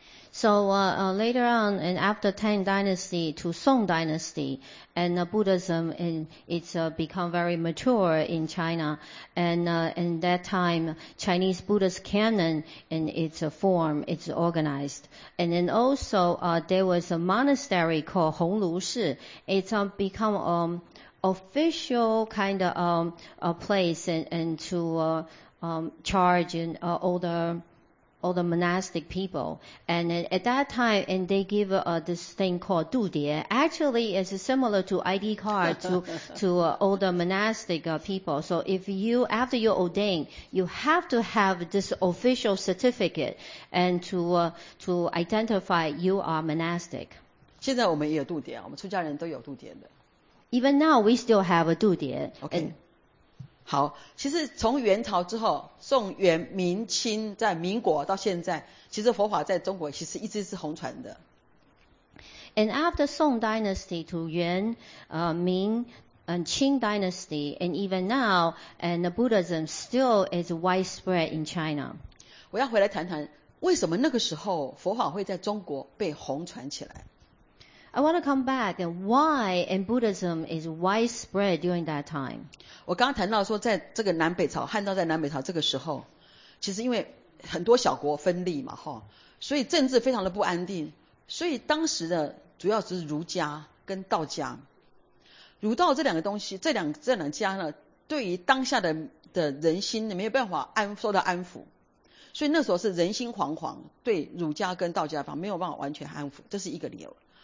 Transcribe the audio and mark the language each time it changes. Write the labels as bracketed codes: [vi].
[en] So later on, and after Tang Dynasty to Song Dynasty, and Buddhism become very mature in China, and in that time, Chinese Buddhist canon in its form, it's organized, and then also there was a monastery called Honglu Shi. It's become official kind of a place and to charge in all the monastic people. And at that time, and they give this thing called dudie. Actually, it's similar to ID card to all the monastic people. So if you, after you're ordained, you have to have this official certificate and to identify you are monastic. [zh] 现在我们也有度牒，我们出家人都有度牒的。 [en] Even now, we still have a 度牒。 [zh] OK， 好，其实从元朝之后，宋元明清，在民国到现在，其实佛法在中国其实一直是红传的。 [en] And after Song Dynasty to 元明and Qing Dynasty, and even now, and the Buddhism still is widespread in China. [zh] 我要回来谈谈为什么那个时候佛法会在中国被红传起来。 [en] I want to come back and why and Buddhism is widespread during that time. [zh] 我刚刚谈到说，在这个南北朝，汉朝在南北朝这个时候，其实因为很多小国分立嘛，哈，所以政治非常的不安定。所以当时的主要就是儒家跟道家，儒道这两个东西，这两家呢，对于当下的人心没有办法受到安抚，所以那时候是人心惶惶，对儒家跟道家方没有办法完全安抚，这是一个理由。